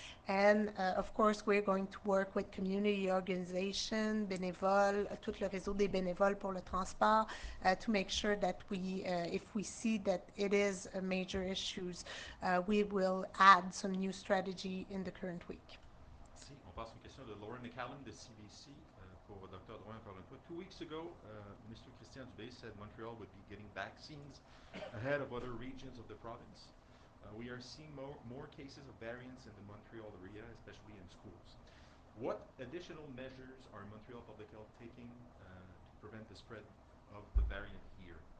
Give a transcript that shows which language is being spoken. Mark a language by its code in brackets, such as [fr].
[en] And of course, we're going to work with community organizations, [fr] bénévoles, tout le réseau des bénévoles pour le transport, [en] to make sure that we, if we see that it is a major issue, we will add some new strategy in the current week. [fr] Si, on passe une question de Lauren McCallum de CBC pour Dr. Drouin encore une fois. [en] 2 weeks ago, Mr. Christian Dubé said Montreal would be getting vaccines ahead of other regions of the province. We are seeing more cases of variants in the Montreal area, especially in schools. What additional measures are Montreal Public Health taking to prevent the spread of the variant here?